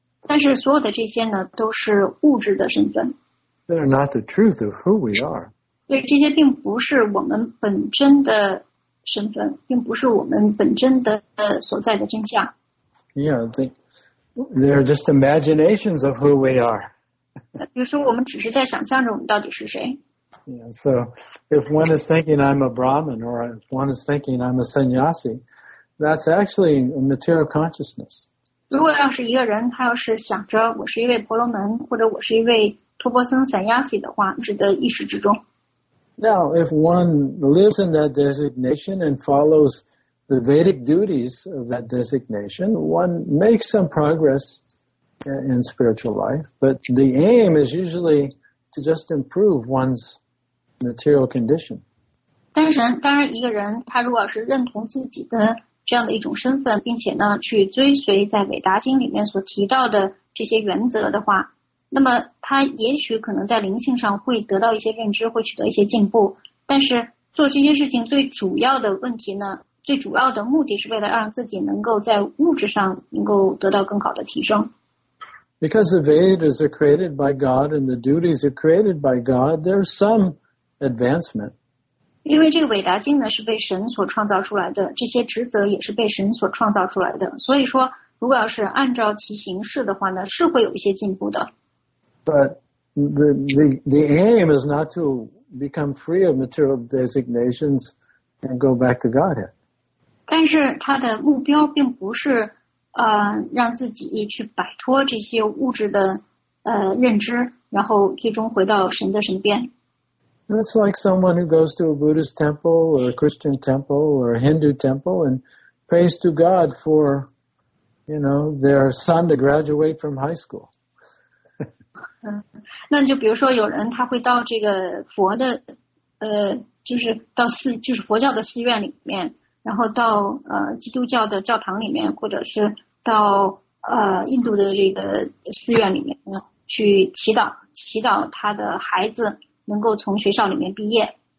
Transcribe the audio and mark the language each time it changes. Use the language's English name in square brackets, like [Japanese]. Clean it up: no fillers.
[Chinese] 但是所有的这些呢，都是物质的身份。 [English] They are not the truth of who we are. [Chinese] 对，这些并不是我们本真的身份，并不是我们本真的所在的真相。 [English] Yeah, they're just imaginations of who we are. [Chinese] 比如说，我们只是在想象着我们到底是谁。 [English] Yeah, so if one is thinking I'm a Brahmin or if one is thinking I'm a sannyasi, that's actually a material consciousness. [Chinese] 如果要是一个人，他要是想着我是一位婆罗门或者我是一位托钵僧sannyasi的话，指的意识之中。 [English] Now, if one lives in that designation and follows the Vedic duties of that designation, one makes some progress in spiritual life. But the aim is usually to just improve one's material condition. [Chinese] 但是当然一个人他如果是认同自己的这样的一种身份并且呢去追随在伟达经里面所提到的这些原则的话那么他也许可能在灵性上会得到一些认知会取得一些进步但是做这些事情最主要的问题呢最主要的目的是为了让自己能够在物质上能够得到更好的提升 [English] Because the Vedas are created by God and the duties are created by God there's some advancement [Chinese] 因为这个伟达经呢是被神所创造出来的这些职责也是被神所创造出来的所以说如果要是按照其形式的话呢是会有一些进步的 [English] But the aim is not to become free of material designations and go back to Godhead. [Chinese] 但是他的目标并不是让自己去摆脱这些物质的认知然后最终回到神的身边。 [English] It's like someone who goes to a Buddhist temple or a Christian temple or a Hindu temple and prays to God for, you know, their son to graduate from high school. [Chinese] 那就比如说有人他会到这个佛的就是到寺就是佛教的寺院里面然后到基督教的教堂里面或者是到印度的这个寺院里面去祈祷他的孩子能够从学校里面毕业